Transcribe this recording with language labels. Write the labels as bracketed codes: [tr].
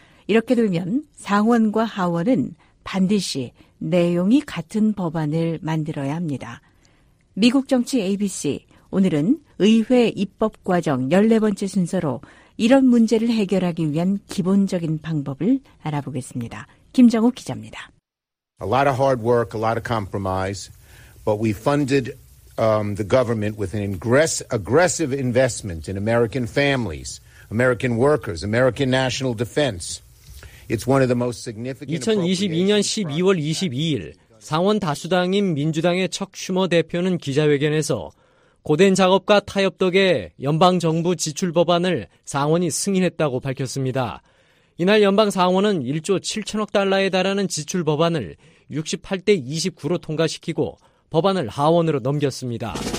[ko] 이렇게 되면 상원과 하원은 반드시 내용이 같은 법안을 만들어야 합니다. 미국 정치 ABC, 오늘은 의회 입법 과정 14번째 순서로 이런 문제를 해결하기 위한 기본적인 방법을 알아보겠습니다. 김정욱 기자입니다. [en] A lot of hard work, a lot of compromise, but we funded the government with an aggressive investment in American families, American workers, American national defense. It's one of the most significant. [ko] 2022년 12월 22일 상원 다수당인 민주당의 척 슈머 대표는 기자회견에서 고된 작업과 타협 덕에 연방 정부 지출 법안을 상원이 승인했다고 밝혔습니다. 이날 연방 상원은 1조 7천억 달러에 달하는 지출 법안을 68대 29로 통과시키고 법안을 하원으로 넘겼습니다.